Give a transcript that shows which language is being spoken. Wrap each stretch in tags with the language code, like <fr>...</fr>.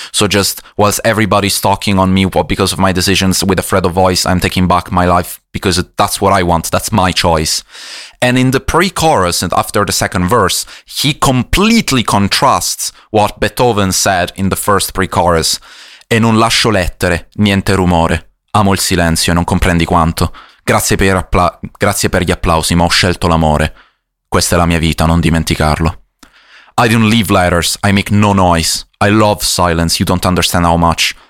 <en>So just whilst everybody's talking on me because of my decisions with a thread of voice, I'm taking back my life because that's what I want. That's my choice. And in the pre-chorus and after the second verse, he completely contrasts what Beethoven said in the first pre-chorus.</en> <it>E non lascio lettere, niente rumore. Amo il silenzio, non comprendi quanto. Grazie per gli applausi, ma ho scelto l'amore. Questa è la mia vita, non dimenticarlo.</it> <en>I don't leave letters, I make no noise. I love silence, you don't understand how much.</en>